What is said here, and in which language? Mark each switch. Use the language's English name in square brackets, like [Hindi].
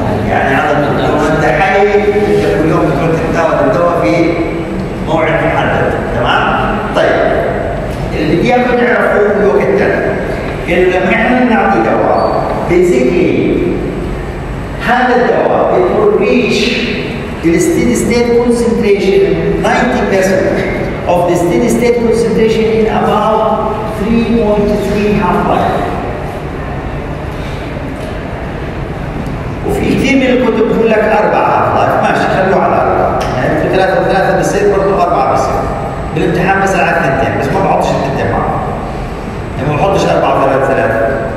[Arabic] يعني هذا الدواء انت حي كل يوم بتروح تاخذ الدواء في موعد محدد تمام؟ طيب اللي بدي اياكم تعرفوه في وقت ثاني انه لما احنا بنعطي دواء بيزيكلي هذا الدواء بيكون ريش [English] الستيدي state concentration 90% of the steady state concentration in about 3.3 half-life. [Arabic] وفي كثير من الكتب بقول لك أربعة half-life، ماشي خلوه على أربعة، يعني في ثلاثة وثلاثة بصير برضو أربعة بصير. بالامتحان بس على اثنتين، بس ما بحطش اثنتين معه. يعني ما بحطش أربعة وثلاثة ثلاثة.